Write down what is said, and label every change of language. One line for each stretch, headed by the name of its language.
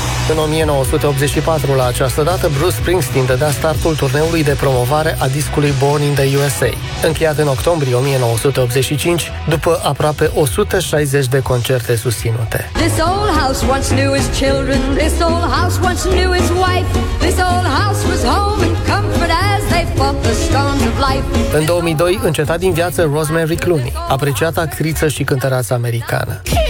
Romanian: În 1984, la această dată, Bruce Springsteen dădea startul turneului de promovare a discului Born in the USA, încheiat în octombrie 1985, după aproape 160 de concerte susținute.
English: This old house once knew his children, this old house once knew his wife, this old house was home and comfort as they fought the storms of life.
Romanian: În 2002, înceta din viață Rosemary Clooney, apreciată actriță și cântăreață americană.